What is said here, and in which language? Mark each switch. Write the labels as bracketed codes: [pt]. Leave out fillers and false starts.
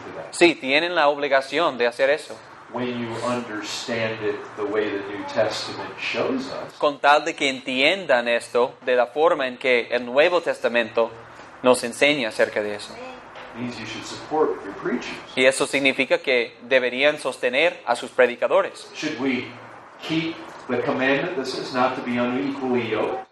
[es] Sí, tienen la obligación de hacer eso. [en] When you understand it the way the New Testament shows us. [es] Con tal de que entiendan esto de la forma en que el Nuevo Testamento nos enseña acerca de eso. [en] Means you should support your preachers. [es] Y eso significa que deberían sostener a sus predicadores. [en] Should we keep the commandment that says not to be unequally yoked?